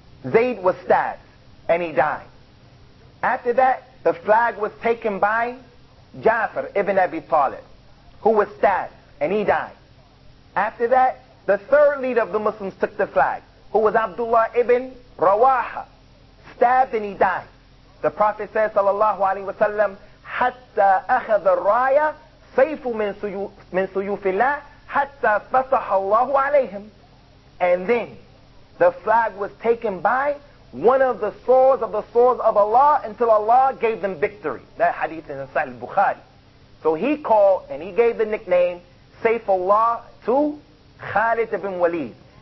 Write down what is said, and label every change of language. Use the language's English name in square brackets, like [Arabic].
[English] Zayd was stabbed, and he died. After that, the flag was taken by Ja'far ibn Abi Talib, who was stabbed, and he died. After that, the third leader of the Muslims took the flag, who was Abdullah ibn Rawaha, stabbed and he died. The Prophet says, [Arabic] sallallahu alayhi wa sallam, حَتَّى أَخَذَ الرَّايَ سَيْفُ مِنْ سُيُوفِ اللَّهِ حَتَّى فَسَحَ اللَّهُ عَلَيْهِمْ. [English] And then, the flag was taken by one of the swords of the swords of Allah until Allah gave them victory. That hadith is in Sahih al-Bukhari. So he called and he gave the nickname Saifullah to Khalid ibn Walid.